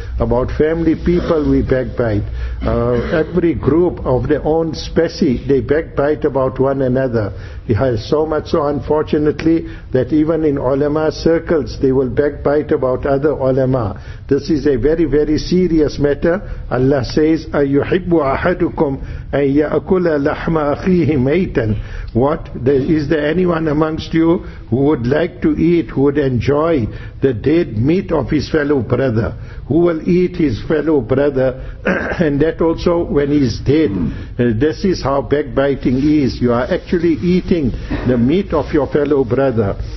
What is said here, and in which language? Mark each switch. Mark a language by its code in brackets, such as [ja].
[en] About family people we backbite. Every group of their own specie, they backbite about one another. It has so much so unfortunately that even in ulama circles they will backbite about other ulama. This is a very, very serious matter. Allah says, [ar] أَيُحِبُّ أَحَدُكُمْ أَن يَأْكُلَ لَحْمَ أَخِيهِ مَيْتًا. [en] What? Is there anyone amongst you who would like to eat, who would enjoy the dead meat of his fellow brother? Who will eat his fellow brother? And that also when he is dead. This is how backbiting is. You are actually eating the meat of your fellow brother.